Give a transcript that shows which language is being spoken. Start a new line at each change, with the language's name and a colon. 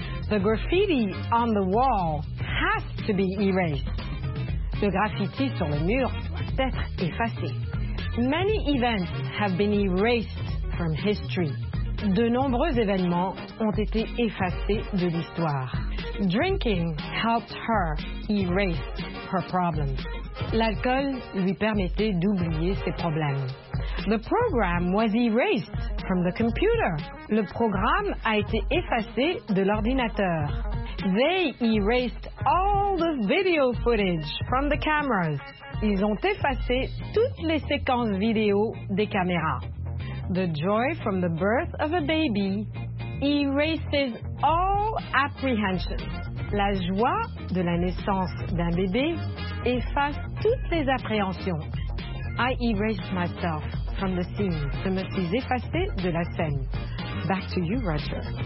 English: The graffiti on the wall has to be erased.
French: Le graffiti sur le mur doit être effacé.
English: Many events have been erased from history.
French: De nombreux événements ont été effacés de l'histoire.
English: Drinking helped her erase her problems.
French: L'alcool lui permettait d'oublier ses problèmes.
English: The program was erased from the computer.
French: Le programme a été effacé de l'ordinateur.
English: They erased all the video footage from the cameras.
French: Ils ont effacé toutes les séquences vidéo des caméras.
English: The joy from the birth of a baby erases all apprehensions.
French: La joie de la naissance d'un bébé efface toutes les appréhensions.
English: I erased myself from the scene.
French: Je me suis effacée de la scène.
English: Back to you, Roger.